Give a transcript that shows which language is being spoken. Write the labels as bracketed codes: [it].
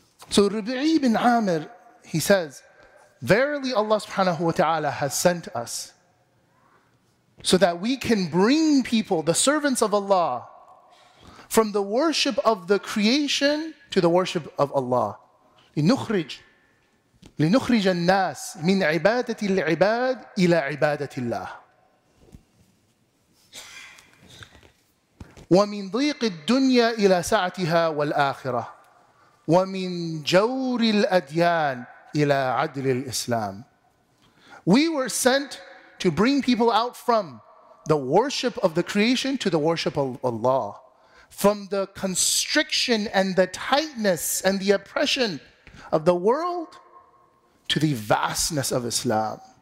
[en] So Rabi'i ibn Amir, he says, verily Allah subhanahu wa ta'ala has sent us so that we can bring people, the servants of Allah, from the worship of the creation to the worship of Allah. [ar] لنخرج الناس من عبادة العباد إلى عبادة الله. ومن ضيق الدنيا إلى سعتها والآخرة. ومن جور الأديان إلى عدل الإسلام. [en] We were sent to bring people out from the worship of the creation to the worship of Allah. From the constriction and the tightness and the oppression of the world to the vastness of Islam.